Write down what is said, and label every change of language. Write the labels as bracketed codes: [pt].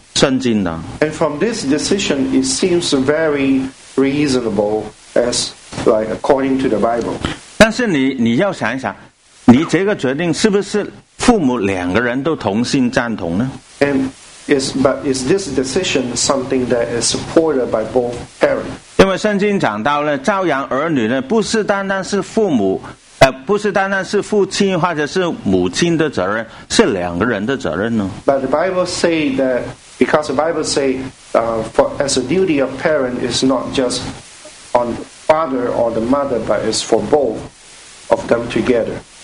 [en] And from this decision, it seems very reasonable, as like according to the Bible. [zh] 但是你要想一想，你这个决定是不是父母两个人都同心赞同呢？ [en] And is this decision something that is supported by both parents? [zh] 因为圣经讲到了，教养儿女呢，不是单单是父母，不是单单是父亲或者是母亲的责任，是两个人的责任呢。 [en] But the Bible say that. Because the Bible says, as a duty of parent is not just on the father or the mother, but it's for both of them together.